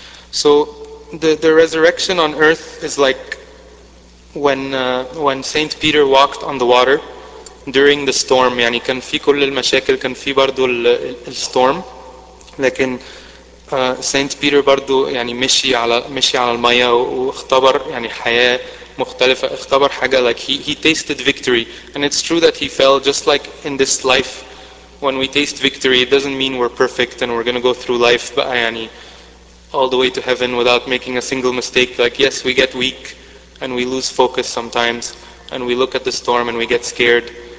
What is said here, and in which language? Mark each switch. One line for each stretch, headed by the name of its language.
English: So the resurrection on earth is like when Saint Peter walked on the water during the storm.
Arabic: كان في كل المشاكل, كان في برضو ال storm, لكن Saint Peter برضو مشي على المية واختبر حياة مختلفة, اختبر حاجة
English: like he tasted victory. And it's true that he fell, just like in this life when we taste victory, it doesn't mean we're perfect and we're gonna go through life all the way to heaven without making a single mistake. Like, yes, we get weak and we lose focus sometimes and we look at the storm and we get scared.